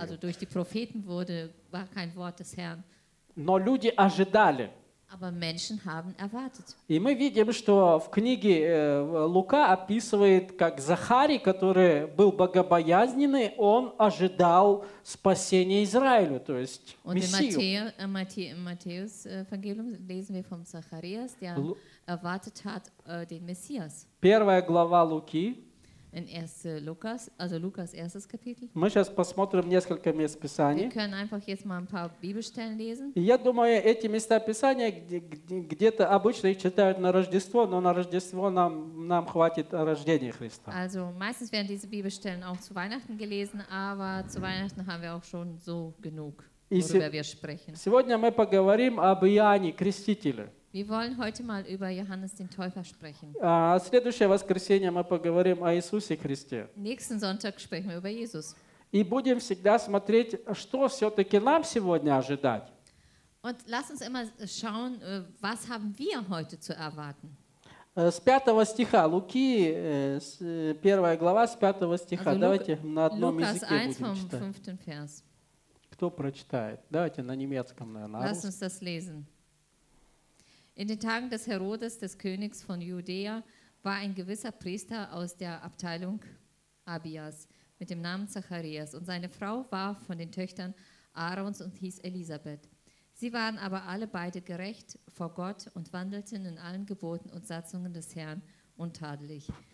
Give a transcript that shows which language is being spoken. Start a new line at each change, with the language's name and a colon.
German: Also durch die Propheten wurde war kein Wort des Herrn.
Russian: Но люди ожидали.
German: Aber Menschen haben erwartet.
Russian: И мы видим, что в книге Лука описывает, как Захарий, который был богобоязненный, он ожидал спасения Израилю, то есть Мессию.
German: In Matthäus Evangelium lesen wir vom Zacharias, der erwartet hat den Messias.
Russian: Первая глава Луки.
German: In 1. Lukas, also Lukas 1. Kapitel.
Russian: Мы сейчас посмотрим несколько мест Писаний.
German: Wir können einfach jetzt mal ein paar Bibelstellen lesen.
Russian: Я думаю, эти места Писания где-то обычно их читают на Рождество, но на Рождество нам хватит рождения Христа.
German: Also meistens werden diese Bibelstellen auch zu Weihnachten gelesen, aber zu Weihnachten haben wir auch schon so genug, worüber wir sprechen.
Russian: Сегодня мы поговорим об Иоанне Крестителе.
German: Wir wollen heute mal über Johannes den Täufer sprechen.
Russian: Следующее воскресенье мы поговорим о Иисусе Христе.
German: Nächsten Sonntag sprechen wir über Jesus.
Russian: И будем всегда смотреть, что все-таки нам сегодня ожидать.
German: Und lass uns immer schauen, was haben wir heute zu erwarten.
Russian: С 5 стиха, Луки, 1 глава, с 5 стиха. Also, давайте на одном
German: Lukas
Russian: языке 1, будем
German: vom
Russian: читать.
German: 5. Vers.
Russian: Кто прочитает? Давайте на немецком, наверное.
German: Lass uns das lesen. In den Tagen des Herodes, des Königs von Judäa, war ein gewisser Priester aus der Abteilung Abias mit dem Namen Zacharias und seine Frau war von den Töchtern Aarons und hieß Elisabeth. Sie waren aber alle beide gerecht vor Gott und wandelten in allen Geboten und Satzungen des Herrn untadelig.